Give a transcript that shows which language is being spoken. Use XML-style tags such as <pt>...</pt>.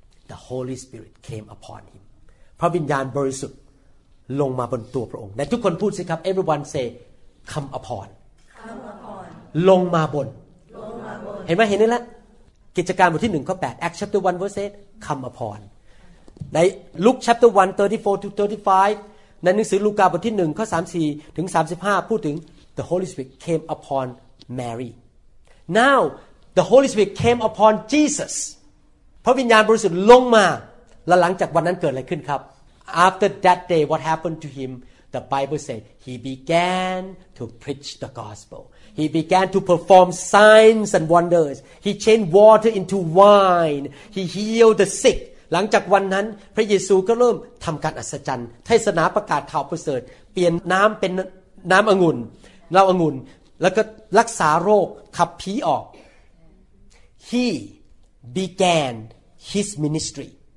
<en>the Holy Spirit came upon him.</en> <th>พระวิญญาณบริสุทธิ์ลงมาบนตัวพระองค์และทุกคนพูดสิครับ</th> <en>everyone say come upon come upon</en> <th>ลงมาบน ลงมาบน เห็นมั้ยเห็นแล้วกิจการบทที่1ข้อ8</th> <en>Acts chapter 1 verse 8 come upon</en> <th>ใน Luke chapter 1 34 to 35ในหนังสือลูกาบทที่1ข้อ34ถึง35พูดถึง</th> <en>the Holy Spirit came upon Mary now the Holy Spirit came upon Jesus</en> <th>พระวิญญาณบริสุทธิ์ลงมาและหลังจากวันนั้นเกิดอะไรขึ้นครับ</th> <en>after that day what happened to him the Bible says he began to preach the gospelHe began to perform signs and wonders. He changed water into wine. He healed the sick.</en> <th>หลังจากวันนั้นพระเยซูก็เริ่มทำการอัศจรรย์เทศนาประกาศข่าวประเสริฐเปลี่ยนน้ำเป็นน้ำองุ่นเหล้าองุ่นแล้วก็รักษาโรคขับผีออก</th> <en>He began his ministry.</en>